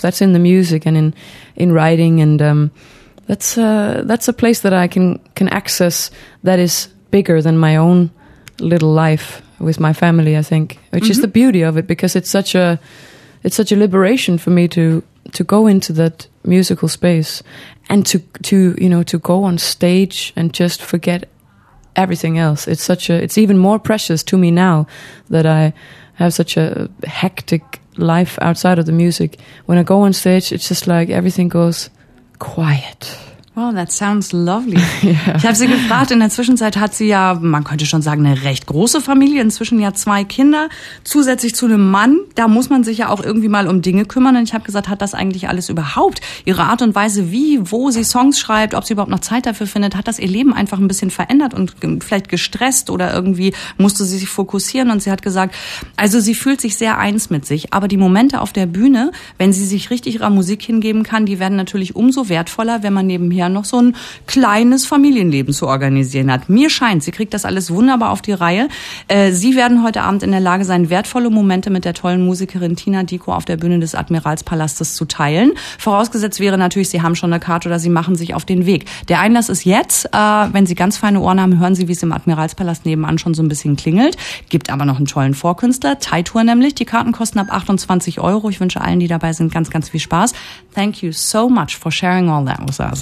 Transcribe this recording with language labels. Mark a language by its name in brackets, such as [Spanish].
[English] That's in the music and in writing and that's a place that I can access that is bigger than my own little life with my family, I think, which mm-hmm. is the beauty of it, because it's such a liberation for me to go into that musical space and to you know, to go on stage and just forget everything else. It's even more precious to me now that I have such a hectic life outside of the music. When I go on stage, it's just like everything goes quiet. Wow, that sounds lovely. Yeah. [German] Ich habe sie gefragt, in der Zwischenzeit hat sie ja, man könnte schon sagen, eine recht große Familie, inzwischen ja zwei Kinder, zusätzlich zu einem Mann, da muss man sich ja auch irgendwie mal um Dinge kümmern. Und ich habe gesagt, hat das eigentlich alles überhaupt, ihre Art und Weise, wie, wo sie Songs schreibt, ob sie überhaupt noch Zeit dafür findet, hat das ihr Leben einfach ein bisschen verändert und vielleicht gestresst oder irgendwie musste sie sich fokussieren? Und sie hat gesagt, also sie fühlt sich sehr eins mit sich, aber die Momente auf der Bühne, wenn sie sich richtig ihrer Musik hingeben kann, die werden natürlich umso wertvoller, wenn man nebenher noch so ein kleines Familienleben zu organisieren hat. Mir scheint, sie kriegt das alles wunderbar auf die Reihe. Sie werden heute Abend in der Lage sein, wertvolle Momente mit der tollen Musikerin Tina Diko auf der Bühne des Admiralspalastes zu teilen. Vorausgesetzt wäre natürlich, sie haben schon eine Karte oder sie machen sich auf den Weg. Der Einlass ist jetzt. Wenn Sie ganz feine Ohren haben, hören Sie, wie es im Admiralspalast nebenan schon so ein bisschen klingelt. Gibt aber noch einen tollen Vorkünstler, Taitour nämlich. Die Karten kosten ab 28 Euro. Ich wünsche allen, die dabei sind, ganz, ganz viel Spaß. [English] Thank you so much for sharing all that with us.